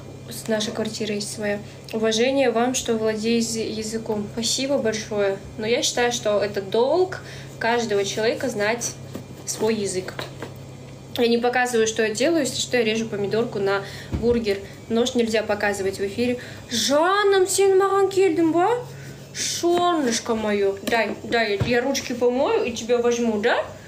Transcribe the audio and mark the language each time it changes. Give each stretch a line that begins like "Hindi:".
Russian: С нашей квартирой есть своя. Уважение вам, что владеете языком. Спасибо большое. Но я считаю, что это долг каждого человека знать свой язык. Я не показываю, что я делаю, если что, я режу помидорку на бургер. Нож нельзя показывать в эфире.
Kazakh: Жанна, сен маған келдім ба?
Russian: Солнышко мое. Дай, я ручки помою и тебя возьму, да?